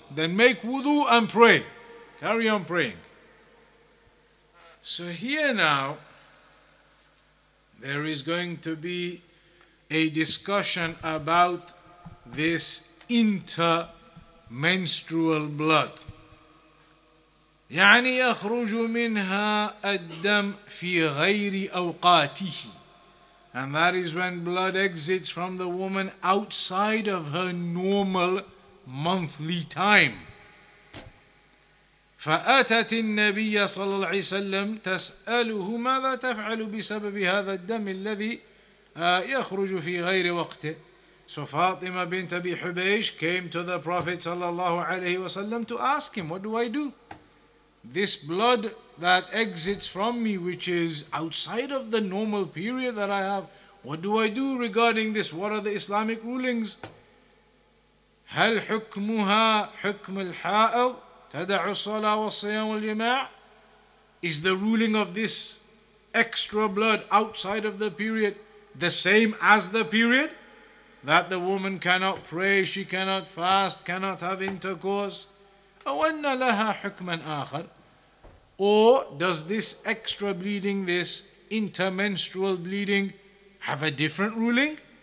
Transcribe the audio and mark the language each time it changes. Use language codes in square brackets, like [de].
[en] Then make wudu and pray. Carry on praying. So here now, there is going to be a discussion about this intermenstrual blood. [ar] يعني يخرج منها الدم في غير أوقاته. [en] And that is when blood exits from the woman outside of her normal monthly time. [ar] فأتت النبي صلى الله عليه وسلم تسأله ماذا تفعل بسبب هذا الدم الذي يخرج في غير وقته. [en] So Fatima bint Abi Hubaysh came to the Prophet [ar] صلى الله عليه وسلم [en] to ask him, what do I do? This blood that exits from me, which is outside of the normal period that I have, what do I do regarding this? What are the Islamic rulings? [ar] هل حكمها حكم الحائض تدع الصلاة والصيام والجماع? [en] Is the ruling of this extra blood outside of the period the same as the period? That the woman cannot pray, she cannot fast, cannot have intercourse? [ar] أَوَنَّ لَهَا حُكْمًا آخَرٍ. [en] Or does this extra bleeding, this intermenstrual bleeding, have a different ruling?